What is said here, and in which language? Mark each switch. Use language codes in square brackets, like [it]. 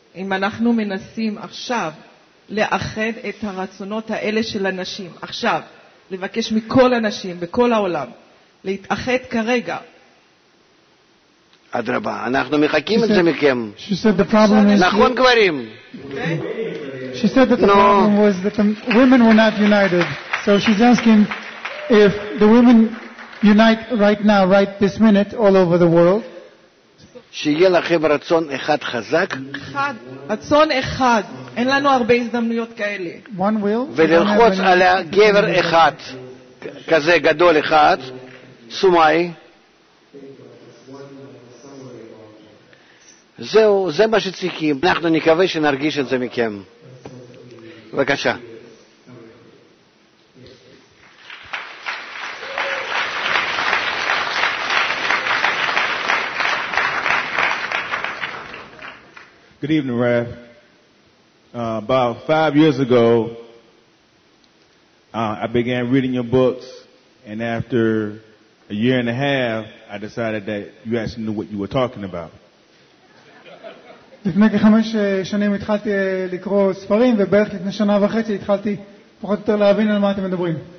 [he] אם אנחנו מנסים עכשיו לאחד את הרצונות האלה של הנשים, עכשיו, לבקש מכל הנשים בכל העולם, להתאחד כרגע. אדרבה, אנחנו מחכים את זה מכם. [en] She said the problem is... [he] נכון, גברים? [en] She said that the problem was that the women were not united. So she's asking if the women... unite right now, right this minute, all over the world. [he] שיהיה לכם רצון אחד חזק. אחד, רצון אחד. אין לנו הרבה הזדמנויות כאלה. [en] One will. [he] וללחוץ על הגבר אחד, כזה גדול אחד, סומאי. זהו, זה מה שצריכים. אנחנו נקווה שנרגיש את זה מכם. בבקשה. [en] Good evening, Rav. About 5 years ago, I began reading your books, and after a year and a half, I decided that you actually knew what you were talking about. [he] לפני כ-5 שנים התחלתי לקרוא ספרים, ובערך לפני שנה וחצי התחלתי פחות או יותר להבין על מה אתם מדברים.